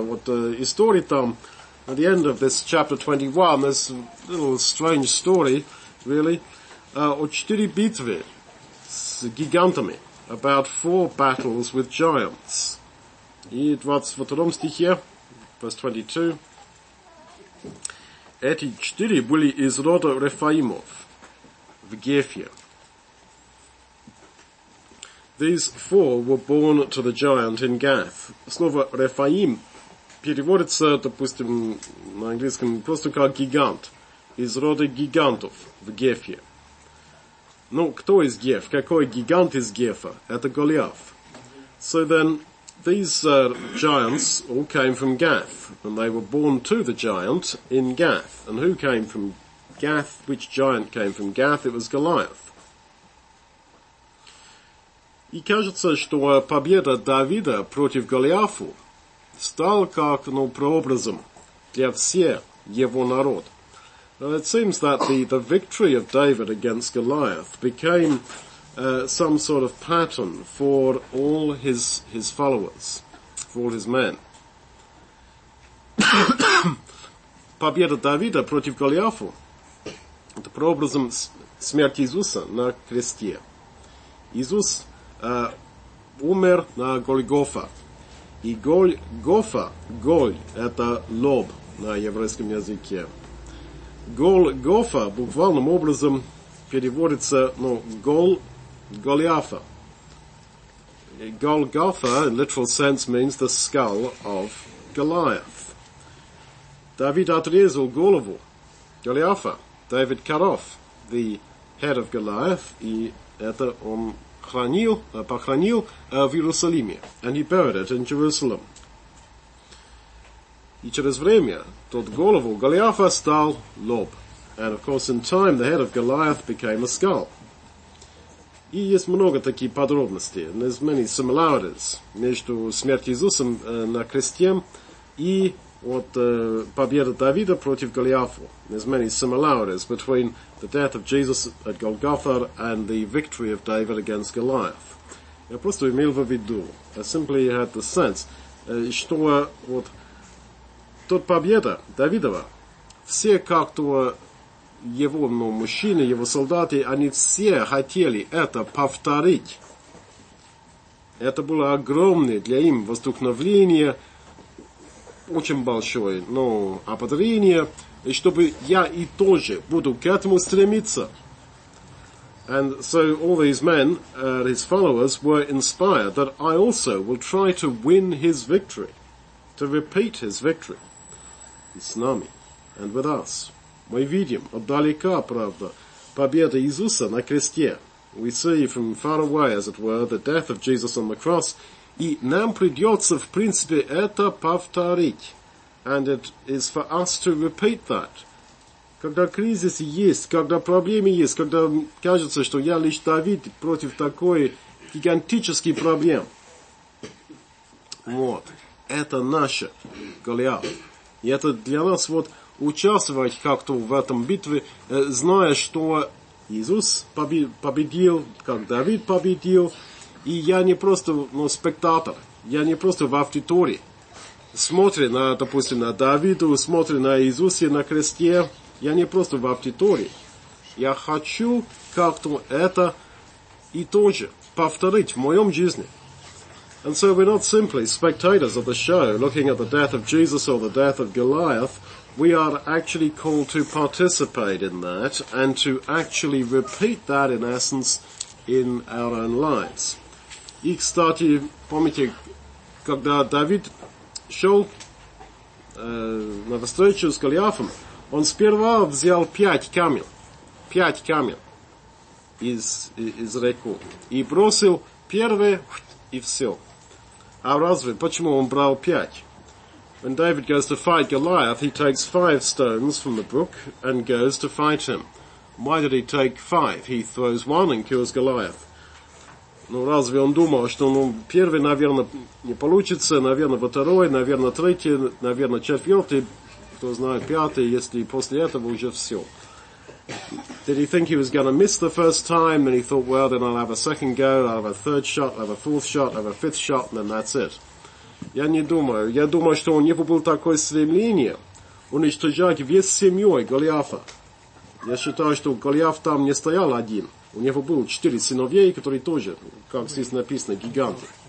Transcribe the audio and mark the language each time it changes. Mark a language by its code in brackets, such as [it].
[ru] Вот история там, [en] at the end of this chapter 21, this little strange story, really, [ru] о четыре битвы с гигантами, [en] about four battles with giants. [ru] И 22 стихе, [en] verse 22, [ru] эти четыре были из рода Рефаимов. В Гефе. [en] These four were born to the giant in Gath. [ru] Слово Рефаим переводится, допустим, на английском просто как гигант. Из рода гигантов в Гефе. Ну, кто из Геф? Какой гигант из Гефа? Это Голиаф. [en] So then, these giants all came from Gath. And they were born to the giant in Gath. And who came from Gath, which giant came from Gath? It was Goliath. [ru] И кажется, что победа Давида против Голиафу стала как, ну, прообразом для всех его народ. [en] It seems that the victory of David against Goliath became some sort of pattern for all his followers, for all his men. [ru] Победа Давида против Голиафу. Это прообразом смерти Иисуса на кресте. Иисус умер на Голгофе. И Голгофа, Голь, это лоб на еврейском языке. Голгофа буквальным образом переводится, ну, Голиафа. [en] Голгофа, in literal sense, means the skull of Goliath. [ru] Давид отрезал голову Голиафа. [en] David cut off the head of Goliath, [ru] и это он хранил, похоронил в Иерусалиме, [en] and he buried it in Jerusalem. [ru] И через время тот голову Голиафа стал лоб, [en] and of course in time the head of Goliath became a skull. [ru] И есть много таких подробностей, [en] and there's many similarities [ru] между смертью Иисуса на кресте и вот победа Давида против Голиафа. [en] There's many similarities between the death of Jesus at Golgotha and the victory of David against Goliath. [ru] Я просто имел в виду, [en] I simply had the sense, [ru] что вот тот победа Давидова, все как-то его, ну, мужчины, его солдаты, они все хотели это повторить. Это было огромное для им вдохновение, очень большое, ну, ободрение, и чтобы я и тоже буду к этому стремиться. [en] And so all these men, his followers, were inspired that I also will try to win his victory, to repeat his victory. [ru] И с нами, [en] and with us. [ru] Мы видим отдалека, правда, победа Иисуса на кресте. [en] We see from far away, as it were, the death of Jesus on the cross. [ru] И нам придется, в принципе, это повторить. [en] And it is for us to repeat that. [ru] Когда кризис есть, когда проблемы есть, когда кажется, что я лишь Давид против такой гигантической проблем. Вот. Это наше Голиаф. И это для нас вот участвовать как-то в этом битве, зная, что Иисус победил, как Давид победил. И я не просто, ну, спектатор, я не просто в аудитории. Смотрю на, допустим, на Давида, смотрю на Иисуса на кресте. Я не просто в аудитории. Я хочу как-то это и тоже повторить в моем жизни. [en] And so we're not simply spectators of the show, looking at the death of Jesus or the death of Goliath. We are actually called to participate in that and to actually repeat that, in essence, in our own lives. [ru] Ik stati, pomite, когда Давид шел на встречу с Голиафом, он сперва взял пять камней из реку и бросил первые, и все. А разве, почему он брал пять? [en] When David goes to fight Goliath, he takes five stones from the brook and goes to fight him. Why did he take five? He throws one and kills Goliath. [ru] Ну, разве он думал, что ну, первый, наверное, не получится, наверное, второй, наверное, третий, наверное, четвертый, кто знает, пятый, если после этого уже все. [en] Did he think he was going to miss the first time, and he thought, well, then I'll have a second go, I'll have a third shot, I'll have a fourth shot, I'll have a fifth shot, and then that's it. [ru] Я не думаю. Я думаю, что у него было такое стремление уничтожать весь семьей Голиафа. Я считаю, что Голиаф там не стоял один. У него было четыре сыновей, которые тоже, как здесь написано, гиганты.